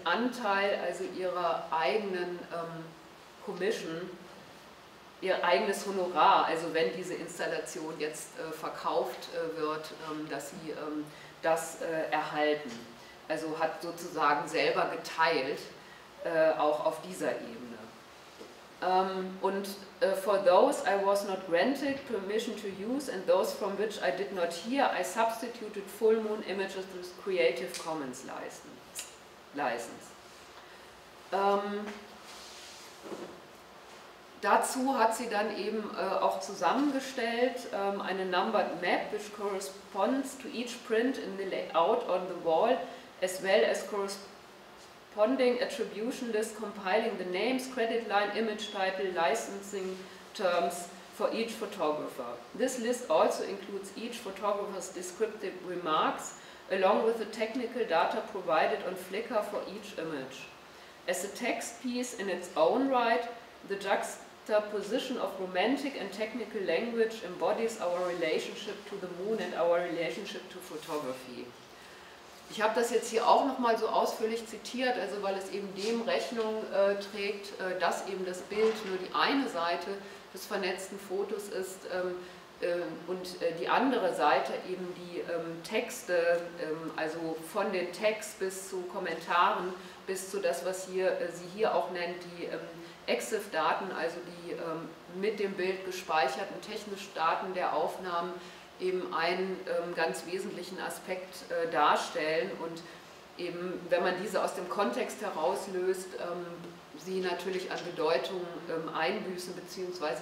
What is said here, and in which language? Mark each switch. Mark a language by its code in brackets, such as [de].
[de] Anteil, also ihrer eigenen Commission, ihr eigenes Honorar, also wenn diese Installation jetzt verkauft wird, dass sie das erhalten. Also hat sozusagen selber geteilt, auch auf dieser Ebene. [en] Und for those I was not granted permission to use and those from which I did not hear, I substituted full moon images with Creative Commons license. [de] Dazu hat sie dann eben auch zusammengestellt eine [en] numbered map, which corresponds to each print in the layout on the wall, as well as corresponding attribution list compiling the names, credit line, image title, licensing terms for each photographer. This list also includes each photographer's descriptive remarks along with the technical data provided on Flickr for each image. As a text piece in its own right, the juxtaposition of romantic and technical language embodies our relationship to the moon and our relationship to photography. [de] Ich habe das jetzt hier auch nochmal so ausführlich zitiert, also weil es eben dem Rechnung trägt, dass eben das Bild nur die eine Seite des vernetzten Fotos ist und die andere Seite eben die Texte, also von den Text bis zu Kommentaren, bis zu das, was hier, sie hier auch nennt, die EXIF-Daten, also die mit dem Bild gespeicherten technischen Daten der Aufnahmen, eben einen ganz wesentlichen Aspekt darstellen und eben, wenn man diese aus dem Kontext herauslöst, sie natürlich an Bedeutung einbüßen bzw.